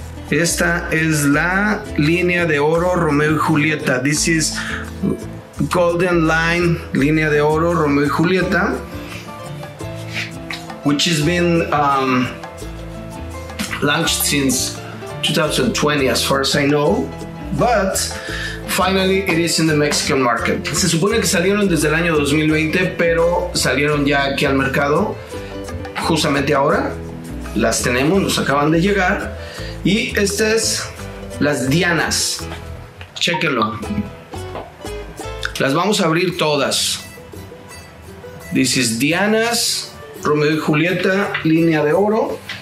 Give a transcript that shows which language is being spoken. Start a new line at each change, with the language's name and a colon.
Spanish: Esta es la línea de oro Romeo y Julieta.
English: This is Golden Line, línea de oro Romeo y Julieta, which has been launched since 2020, as far as I know, but finally it is in the Mexican market.
Spanish: Se supone que salieron desde el año 2020, pero salieron ya aquí al mercado. Justamente ahora las tenemos, nos acaban de llegar. Y estas es las Dianas. Chéquenlo. Las vamos a abrir todas.
English: This is
Spanish: Dianas, Romeo y Julieta, línea de oro.